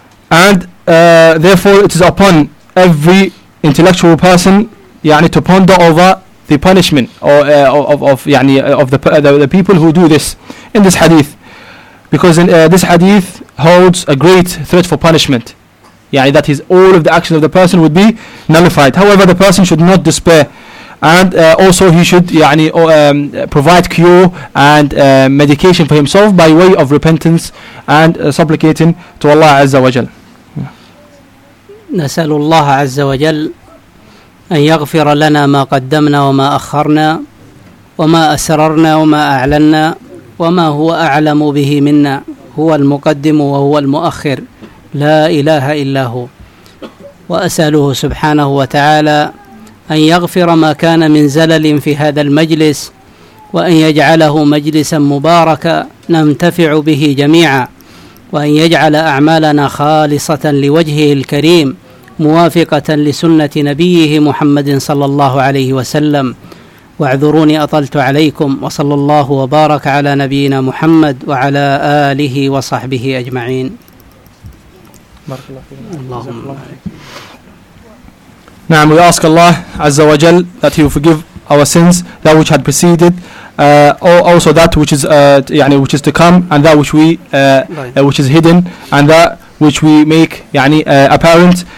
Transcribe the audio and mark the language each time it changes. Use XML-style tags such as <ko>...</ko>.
<en>And therefore it is upon every intellectual person</en> <ar>يعني</ar> <en>to ponder over the punishment of the people who do this in this hadith, because in this hadith holds a great threat for punishment, yani that is all of the actions of the person would be nullified. However, the person should not despair, and also he should provide cure and medication for himself by way of repentance and supplicating to Allah Azza wa Jal.</en> <ar>نسأل الله عز وجل أن يغفر لنا ما قدمنا وما أخرنا وما أسررنا وما أعلنا وما هو أعلم به منا، هو المقدم وهو المؤخر، لا إله إلا هو. وأسأله سبحانه وتعالى أن يغفر ما كان من زلل في هذا المجلس، وأن يجعله مجلسا مباركا ننتفع به جميعا، وأن يجعل أعمالنا خالصة لوجهه الكريم موافقة لسنة نبيه محمد صلى الله عليه وسلم. واعذروني أطلت عليكم، وصلى الله وبارك على نبينا محمد وعلى آله وصحبه أجمعين. بارك الله فيك. اللهم نعم.</ar> <en>We ask Allah عز وجل that He will forgive our sins, that which had preceded, also that which is which is to come, and that which we which is hidden, and that which we make apparent.</en>